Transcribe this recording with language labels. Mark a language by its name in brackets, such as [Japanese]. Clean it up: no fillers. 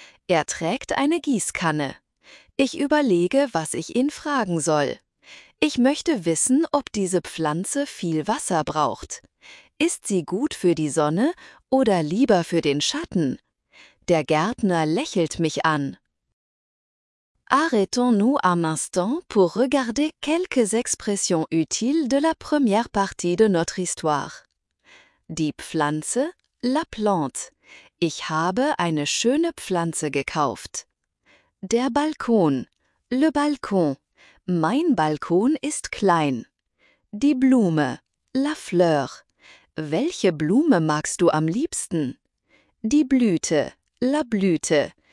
[German] Er trägt eine Gießkanne. Ich überlege, was ich ihn fragen soll. Ich möchte wissen, ob diese Pflanze viel Wasser braucht. Ist sie gut für die Sonne oder lieber für den Schatten? Der Gärtner lächelt mich an. [French] Arrêtons-nous un instant pour regarder quelques expressions utiles de la première partie de notre histoire. [German] Die Pflanze, la plante. Ich habe eine schöne Pflanze gekauft. Der Balkon, le balcon. Mein Balkon ist klein. Die Blume, la fleur. Welche Blume magst du am liebsten? Die Blüte, la blüte.